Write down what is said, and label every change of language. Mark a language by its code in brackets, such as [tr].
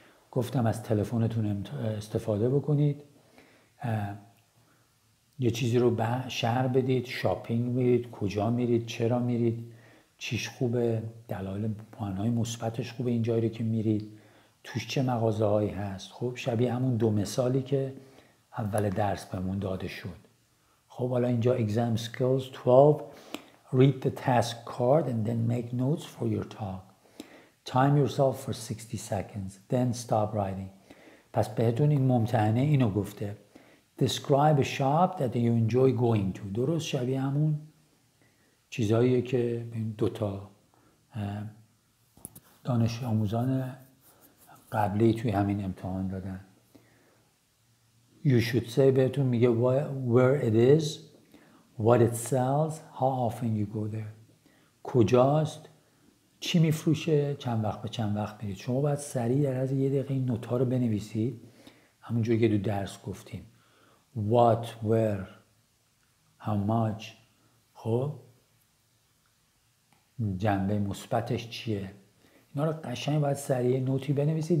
[fa] گفتم از تلفنتون استفاده بکنید، یه چیزی رو شهر بدید، شاپینگ میرید، کجا میرید، چرا میرید، چیش خوبه، دلایل پوانهای مثبتش خوبه این جایی که میرید، توش چه مغازه هایی هست. خب شبیه همون دو مثالی که اول درس بهمون داده شد. خب حالا اینجا [en] exam skills 12 read the task card and then make notes for your talk. Time yourself for 60 seconds then stop writing. [fa] پس بهتون این ممتحنه اینو گفته. [en] Describe a shop that you enjoy going to. [fa] درست شبیه همون چیزایی که این دوتا دانش آموزان قبلی توی همین امتحان دادن. [en] You should say [fa] بهتون میگه [en] where it is, what it sells, how often you go there. [fa] کجاست، چی میفروشه، چند وقت به چند وقت میرید. شما باید سریع در از یه دقیقه این نوتا رو بنویسید، همون جوری که دو درس گفتیم. [en] What, where, how much. [fa] خب جنبه مثبتش چیه؟ اینا رو قشنگ باید سریع نوتی بنویسید.